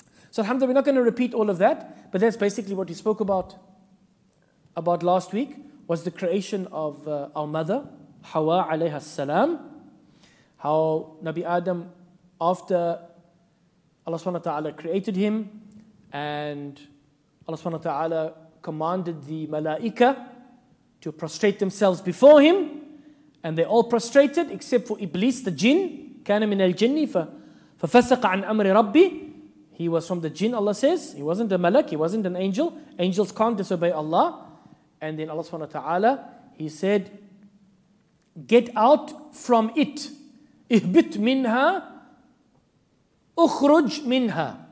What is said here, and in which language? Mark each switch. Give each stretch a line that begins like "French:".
English: So alhamdulillah, we're not going to repeat all of that, but that's basically what we spoke about last week, was the creation of our mother, Hawa alayha salam, how Nabi Adam, after Allah subhanahu wa ta'ala created him, and Allah subhanahu wa ta'ala commanded the malaika to prostrate themselves before him, and they all prostrated except for Iblis, the jinn.
Arabic: كان من الجن ففسق عن أمر ربي.
English: He was from the jinn, Allah says. He wasn't a malak, he wasn't an angel. Angels can't disobey Allah. And then Allah subhanahu wa ta'ala, he said, get out from it.
Arabic: اهبط منها اخرج منها.